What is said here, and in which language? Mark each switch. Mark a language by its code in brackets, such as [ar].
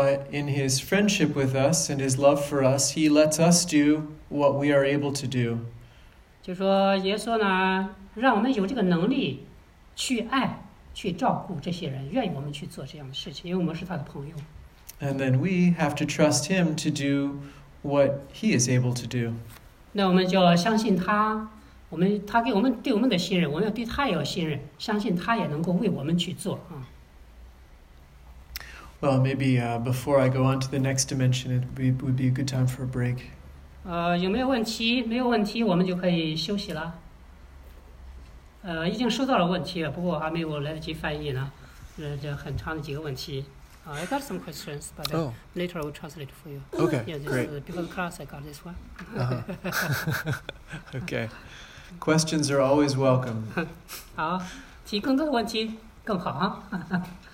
[en] in his friendship with us and his love for us, he lets us do what we are able to do. [zh] 就说耶稣呢，让我们有这个能力去爱。去照顾这些人，愿意我们去做这样的事情，因为我们是他的朋友。 [en] And then we have to trust him to do what he is able to do. [zh] 那我们就要相信他，他对我们的信任，我们要对他也要信任，相信他也能够为我们去做。 [en] Well, maybe before I go on to the next dimension, it would be a good time for a break. [zh] 有没有问题？没有问题，我们就可以休息了。已经收到了问题，不过还没有来得及翻译呢，这很长的几个问题。 [en] I got some questions, but later I will translate for you. Okay, yeah, great. Before the class, I got this one. Uh-huh. Okay, questions are always welcome. [zh] 好，提更多的问题更好啊。